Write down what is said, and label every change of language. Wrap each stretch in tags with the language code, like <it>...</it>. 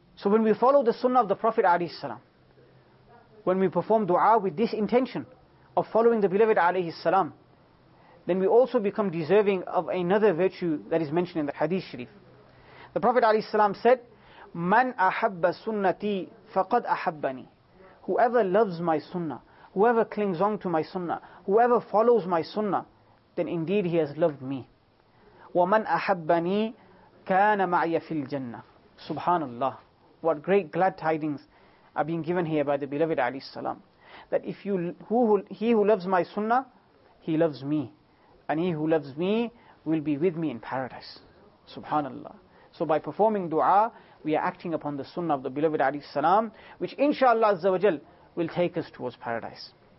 <en>So when we follow the sunnah of the Prophet alayhi salam, when we perform dua with this intention of following the beloved alayhi salam, then we also become deserving of another virtue that is mentioned in the hadith sharif. The Prophet alayhi salam said,</en> <ar>مَنْ أَحَبَّ سُنَّتِي فَقَدْ أَحَبَّنِي</ar> <en>Whoever loves my sunnah, whoever clings on to my sunnah, whoever follows my sunnah, then indeed he has loved me.</en> <ar>وَمَنْ أَحَبَّنِي كَانَ مَعْيَ فِي الْجَنَّةِ Subhanallah.</ar> <en>What great glad tidings are being given here by the beloved Ali Salam. That if you, he who loves my sunnah, he loves me. And he who loves me will be with me in paradise. Subhanallah. So by performing dua, we are acting upon the sunnah of the beloved Ali Salam, which inshallah Azza wa Jal will take us towards paradise.</en>